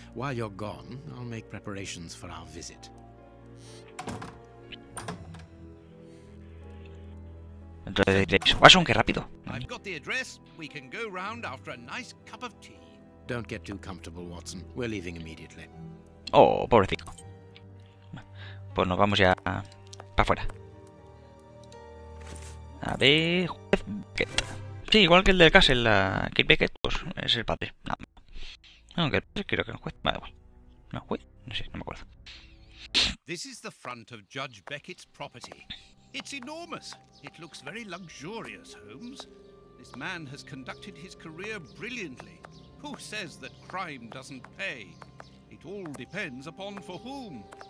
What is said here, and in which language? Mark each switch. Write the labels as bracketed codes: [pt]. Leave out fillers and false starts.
[en] While you're gone, I'll make preparations for our visit. [es] Watson, qué rápido. [en] I've got the address. We can go round after a nice cup of tea. Don't get too comfortable, Watson. We're leaving immediately. [es] Oh, pobrecito. Pues nos vamos ya para afuera. A ver, juez Beckett. Sí, igual que el del Castle, la Kate Beckett, pues es el padre. No. Aunque el creo que el juez. Vale, igual. ¿No, juez? No sé, no me acuerdo. [en] This is the front of Judge Beckett's property. It's enormous. It looks very luxurious, Holmes. This man has conducted his career brilliantly. Who says that crime doesn't pay? It all depends upon for whom.